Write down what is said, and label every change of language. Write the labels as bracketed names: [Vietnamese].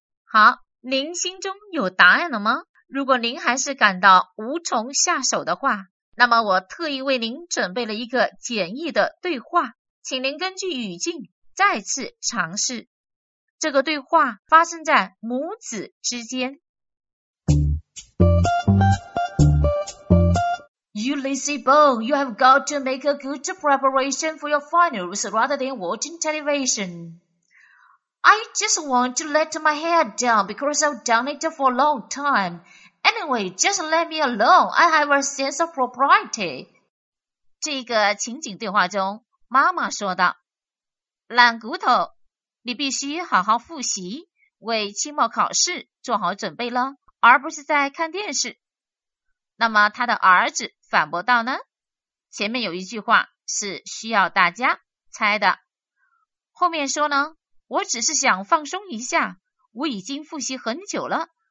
[Chinese] 好您心中有答案了吗如果您还是感到无从下手的话那么我特意为您准备了一个简易的对话请您根据语境再次尝试这个对话发生在母子之间 [English] You lazy bone, you have got to make a good preparation for your finals rather than watching television I just want to let my hair down because I've done it for a long timeAnyway, just let me alone. I have a sense of propriety. [Chinese] 这个情景对话中，妈妈说道：懒骨头，你必须好好复习，为期末考试做好准备了，而不是在看电视。那么他的儿子反驳道呢？前面有一句话是需要大家猜的，后面说呢，我只是想放松一下，我已经复习很久了。